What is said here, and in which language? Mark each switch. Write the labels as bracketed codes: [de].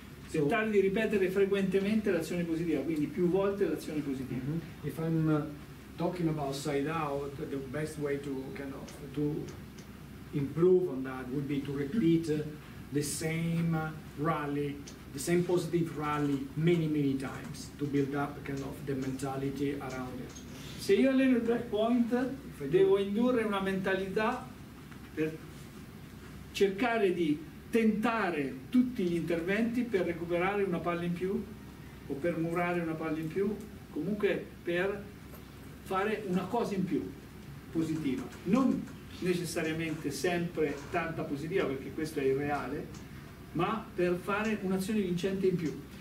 [it] Tentare di ripetere frequentemente l'azione positiva, quindi più volte l'azione positiva. [en] If I'm talking about side out, the best way to kind of to improve on that would be to repeat the same rally, the same positive rally many times to build up kind of the mentality around it. [it] Se io alleno il break point, devo indurre una mentalità per cercare di tentare tutti gli interventi per recuperare una palla in più o per murare una palla in più, comunque per fare una cosa in più positiva, non necessariamente sempre tanta positiva perché questo è irreale, ma per fare un'azione vincente in più.